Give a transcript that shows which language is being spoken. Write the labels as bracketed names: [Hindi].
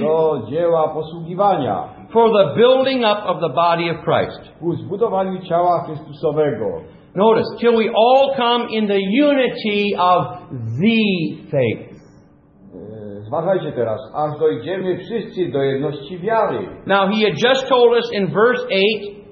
[Polish] Do dzieła posługiwania. [English] For the building up of the body of Christ. [Polish] Ku zbudowaniu ciała Chrystusowego. [English] Notice, till we all come in the unity of the faith. [Polish] Zważajcie teraz, aż dojdziemy wszyscy do jedności wiary. [English] Now he had just told us in verse 8.